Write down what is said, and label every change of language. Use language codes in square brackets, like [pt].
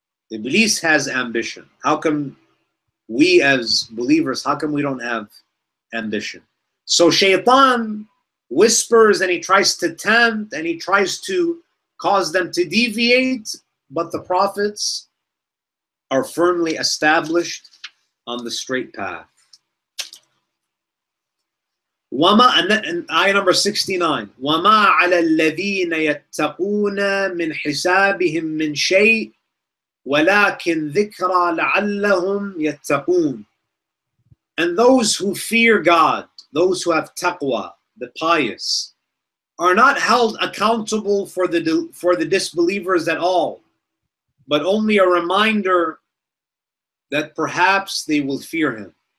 [en] Iblis has ambition. How come we as believers, how come we don't have ambition? So Shaytan whispers and he tries to tempt and he tries to cause them to deviate, but the prophets are firmly established on the straight path. [ar] وَمَا آية [en] number 69 [ar] وَمَا عَلَى الَّذِينَ يَتَّقُونَ مِنْ حِسَابِهِمْ مِنْ شَيْءٍ وَلَكِنْ ذِكْرَى لَعَلَّهُمْ يَتَّقُونَ. [en] And those who fear God, those who have taqwa, the pious, are not held accountable for the disbelievers at all, but only a reminder that perhaps they will fear him.